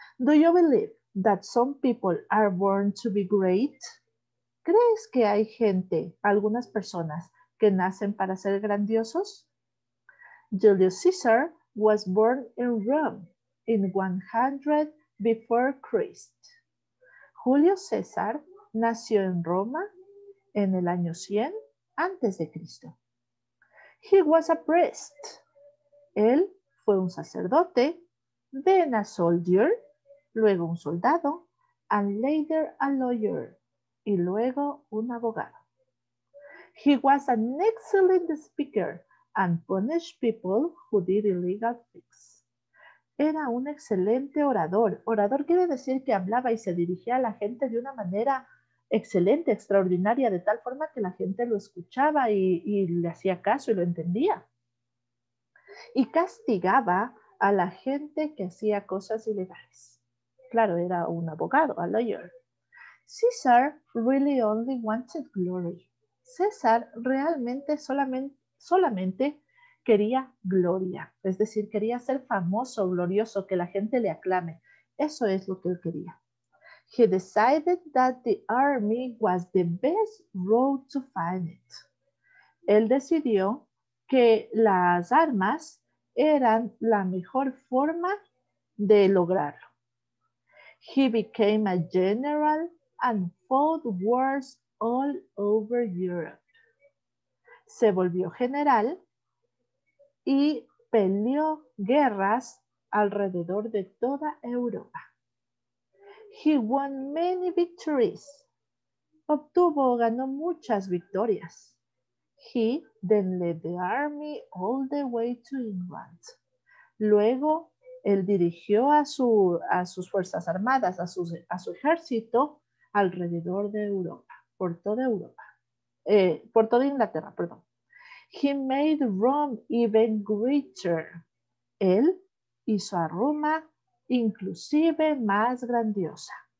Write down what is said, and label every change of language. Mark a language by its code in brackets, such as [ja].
[en] Do you believe that some people are born to be great? [es] ¿Crees que hay gente, algunas personas, que nacen para ser grandiosos? [en] Julius Caesar was born in Rome in 100 before Christ. [es] Julio César nació en Roma en el año 100 antes de Cristo. [en] He was a priest. [es] Él fue un sacerdote, [en] then a soldier, [es] luego un soldado, [en] and later a lawyer, [es] y luego un abogado. [en] He was an excellent speaker and punished people who did illegal things. [es] Era un excelente orador. Orador quiere decir que hablaba y se dirigía a la gente de una manera excelente, extraordinaria, de tal forma que la gente lo escuchaba y le hacía caso y lo entendía. Y castigaba a la gente que hacía cosas ilegales. Claro, era un abogado, [en] a lawyer. César really only wanted glory. [es] César realmente solamente quería gloria, es decir, quería ser famoso, glorioso, que la gente le aclame. Eso es lo que él quería. [en] He decided that the army was the best road to find it. [es] Él decidió que las armas eran la mejor forma de lograrlo. [en] He became a general and fought wars all over Europe. [es] Se volvió general y peleó guerras alrededor de toda Europa. [en] He won many victories. [es] Ganó muchas victorias. [en] He then led the army all the way to England. [es] Luego, él dirigió a sus fuerzas armadas, a su ejército, alrededor de Europa, por toda Inglaterra. [en] He made Rome even greater. [es] Él hizo a Roma inclusive más grandiosa.